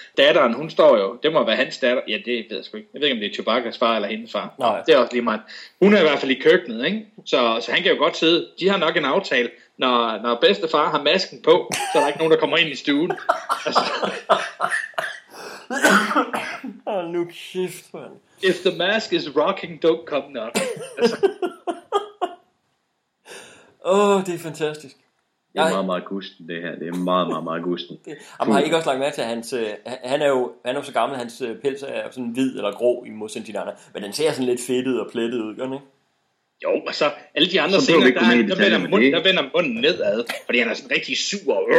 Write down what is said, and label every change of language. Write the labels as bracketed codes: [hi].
[da] Datteren, hun står jo, det må være hans datter. Ja, det ved jeg sgu ikke. Jeg ved ikke, om det er Chewbacca's far eller hendes far. Nej. Det er også lige meget. Hun er i hvert fald i køkkenet, ikke? Så han kan jo godt sidde. De har nok en aftale. Når bedstefar har masken på, så er der ikke nogen, der kommer ind i stuen. Altså. Nu kæft, man. [en] If the mask is rocking, don't come knock. [da] Altså. Åh, oh, det er fantastisk. Det er meget, meget gusten, det her. Det er meget, meget, meget gusten. Jamen, har I ikke også lagt mærke til, at han er jo så gammel, hans pels er sådan hvid eller grå i modsætning til de andre. Men den ser sådan lidt fedtet og plettet ud, gør den ikke? Jo, og så alle de andre scener, der vender munden nedad, fordi han er sådan rigtig sur.